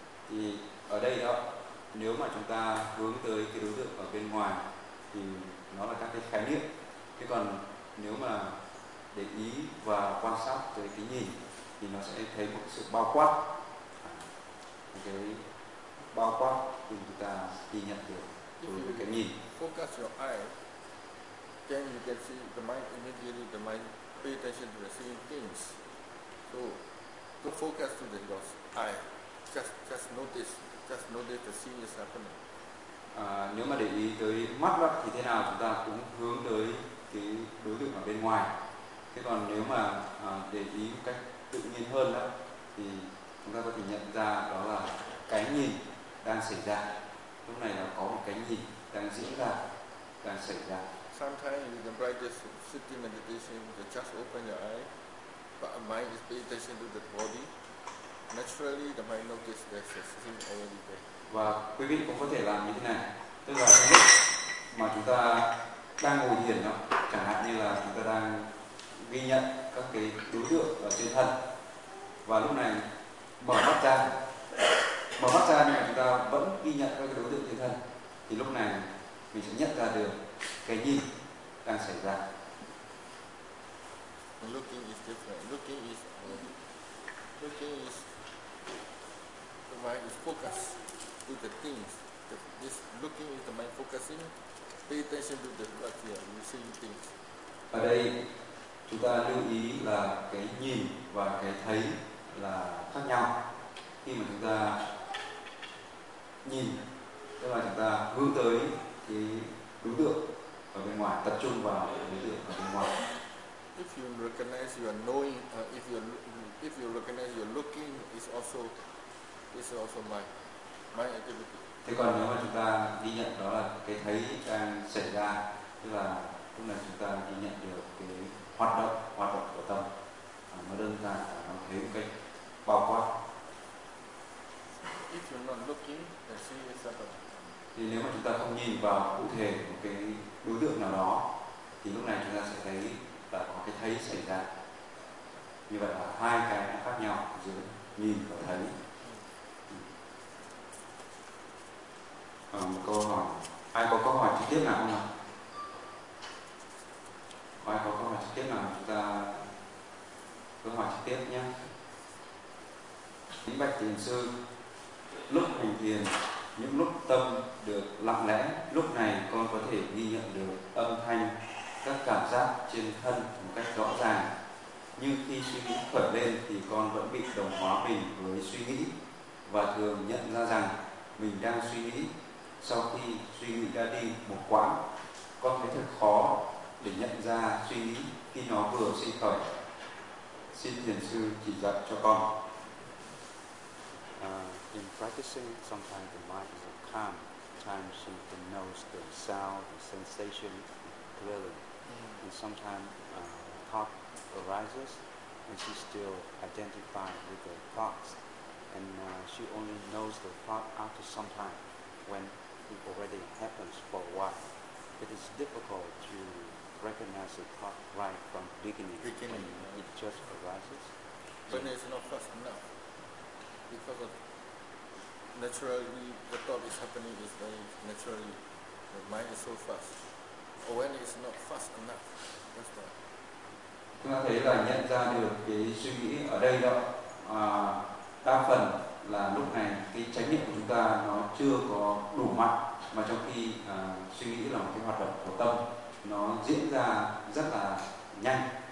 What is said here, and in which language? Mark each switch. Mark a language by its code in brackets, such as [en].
[vi] Thì ở đây đó, nếu mà chúng ta hướng tới cái đối tượng ở bên ngoài thì nó là các cái khái niệm. Thế còn nếu mà để ý và quan sát tới cái nhìn thì nó sẽ thấy một sự bao quát. Cái bao quát thì chúng ta ghi nhận được đối với cái nhìn. [en] Focus your eye. Then you can see the mind immediately. The mind pay attention to the seeing things. So, to focus to the your eye, just notice the seeing is happening. [vi] Nếu mà để ý tới mắt đó thì thế nào, chúng ta cũng hướng tới cái đối tượng ở bên ngoài. Thế còn nếu mà để ý một cách tự nhiên hơn đó, thì chúng ta có thể nhận ra đó là cái nhìn đang xảy ra. Lúc này là có một cái nhìn đang diễn ra, đang xảy ra. [en] Sometimes you can practice sitting meditation, you just open your eye, but mind is paying attention to the body. Naturally, the mind notices that the sitting already there. [vi] Và quý vị cũng có thể làm như thế này, tức là trong lúc mà chúng ta đang ngồi thiền đó, chẳng hạn như là chúng ta đang ghi nhận các cái đối tượng ở trên thân, và lúc này mở mắt ra nhưng mà chúng ta vẫn ghi nhận các cái đối tượng trên thân, thì lúc này mình sẽ nhận ra được cái nhìn đang xảy ra. [en] Looking is different. Looking is the mind is focused to the things. This looking is the mind focusing. Pay attention to the what you are seeing things. [vi] Ở đây chúng ta lưu ý là cái nhìn và cái thấy là khác nhau. Khi mà chúng ta nhìn, tức là chúng ta hướng tới cái đối tượng ở bên ngoài, tập trung vào đối tượng ở bên ngoài. [en] If you recognize you are knowing, if you recognize you are looking, is also my activity. [vi] Thế còn nếu mà chúng ta ghi nhận đó là cái thấy đang xảy ra, tức là lúc này chúng ta ghi nhận được cái hoạt động của tâm, nó đơn giản là nó thấy một cách bao quát. [en] If you're not looking, then see it's happening. [vi] Thì nếu mà chúng ta không nhìn vào cụ thể một cái đối tượng nào đó thì lúc này chúng ta sẽ thấy là có cái thấy xảy ra. Như vậy là hai cái nó khác nhau giữa nhìn và thấy. Một câu hỏi, ai có câu hỏi trực tiếp nào không ạ? Ai có câu hỏi trực tiếp nào, chúng ta câu hỏi trực tiếp nhé. Kính bạch thiền sư, lúc hành thiền, những lúc tâm được lặng lẽ, lúc này con có thể ghi nhận được âm thanh, các cảm giác trên thân một cách rõ ràng. Nhưng khi suy nghĩ khởi lên thì con vẫn bị đồng hóa mình với suy nghĩ và thường nhận ra rằng mình đang suy nghĩ. Sau khi suy nghĩ đã đi một quãng, con thấy thật khó để nhận ra suy nghĩ khi nó vừa sinh khởi. Xin thiền sư chỉ dạy cho con. [en] In practicing, sometimes the mind is calm. Sometimes she can notice the sound, the sensation clearly. Mm-hmm. And sometimes thought arises, and she still identifies with the thoughts. And she only knows the thought after some time. when it already happens for a while, it is difficult to recognize the thought right from beginning. When it just arises. But it's not fast enough, because of naturally the thought is happening is very naturally, the mind is so fast. Or when it's not fast enough, that's why. [vi] Chúng ta thấy là nhận ra được cái suy nghĩ ở đây đó, à, đa phần là lúc này cái chánh niệm của chúng ta nó chưa có đủ mạnh, mà trong khi à, suy nghĩ là một cái hoạt động của tâm, nó diễn ra rất là nhanh.